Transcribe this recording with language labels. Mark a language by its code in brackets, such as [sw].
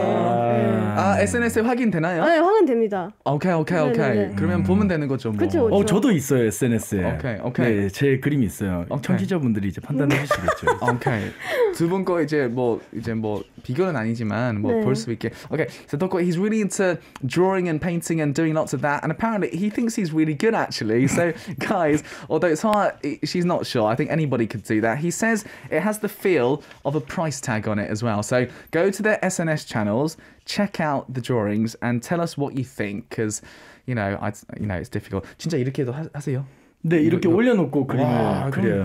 [ko] 아, 네. 아, SNS에 확인되나요? 네, 확인됩니다. 오케이. 그러면 보면 되는 거죠, 뭐. 그쵸. 저도 있어요, SNS에. 오케이. 네, 제 그림이 있어요. 오케이. 청취자분들이 이제 판단해 주시겠죠. 오케이. 두 분 거 이제 뭐 비교는 아니지만 뭐 볼 수 있게. 오케이. [en] So Toko, he's really into drawing and painting and doing lots of that. And apparently he thinks he's really good actually. So guys, although it's hard, she's not sure. I think anybody could do that. He says it has the feel of a price tag on it as well. So go to their SNS channels, check out the drawings and tell us what you think. Because, you know, it's difficult. [ko] 진짜 이렇게도 하세요? 네, 이렇게 올려놓고 그림을 그려요.